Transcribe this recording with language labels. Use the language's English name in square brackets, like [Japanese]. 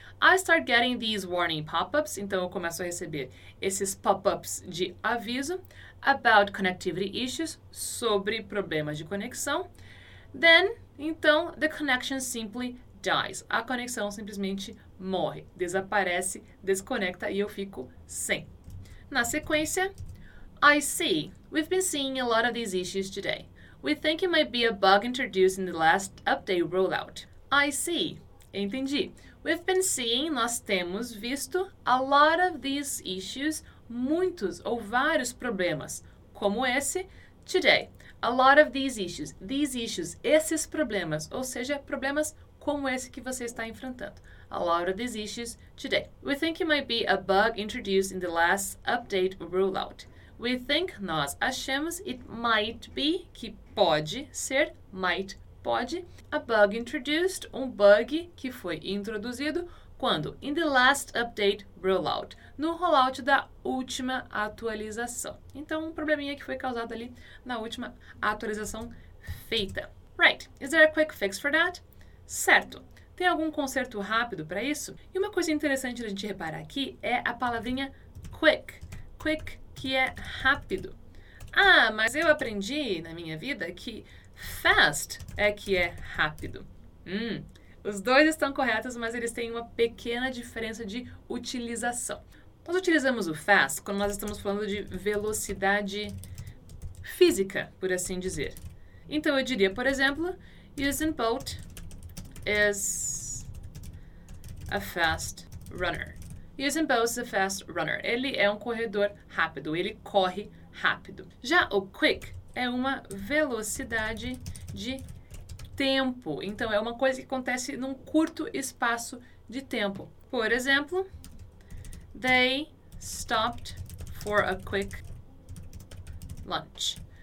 [English] I start getting these warning pop-ups. [Portuguese] Então eu começo a receber esses pop-ups de aviso [English] about connectivity issues, [Portuguese] sobre problemas de conexão. Then, então, the connection simply dies. A conexão simplesmente morre, desaparece, desconecta e eu fico sem. Na sequência, [English] I see. We've been seeing a lot of these issues today. We think it might be a bug introduced in the last update rollout. I see. [Portuguese] Entendi. [English] We've been seeing, [Portuguese] nós temos visto [English] a lot of these issues, [Portuguese] muitos ou vários problemas como esse [English] today. A lot of these issues, [Portuguese] esses problemas, ou seja, problemas como esse que você está enfrentando. [English] A lot of these issues today. We think it might be a bug introduced in the last update rollout. We think, [Portuguese] nós achamos, [English] it might be, [Portuguese] que pode ser, [English] might, [Portuguese] pode, [English] a bug introduced, [Portuguese] um bug que foi introduzido, quando? [English] In the last update rollout, [Portuguese] no rollout da última atualização. Então, um probleminha que foi causado ali na última atualização feita. [English] Right, is there a quick fix for that? [Portuguese] Certo, tem algum conserto rápido para isso? E uma coisa interessante da gente reparar aqui é a palavrinha quick, quick. Que é rápido. Ah, mas eu aprendi na minha vida que fast é que é rápido. Os dois estão corretos, mas eles têm uma pequena diferença de utilização. Nós utilizamos o fast quando nós estamos falando de velocidade física, por assim dizer. Então eu diria, por exemplo, [English] Usain Bolt is a fast runner. Usain Bolt is a fast runner. [Portuguese] Ele é um corredor rápido, ele corre rápido. Já o quick é uma velocidade de tempo. Então, é uma coisa que acontece num curto espaço de tempo. Por exemplo, [English] they stopped for a quick lunch.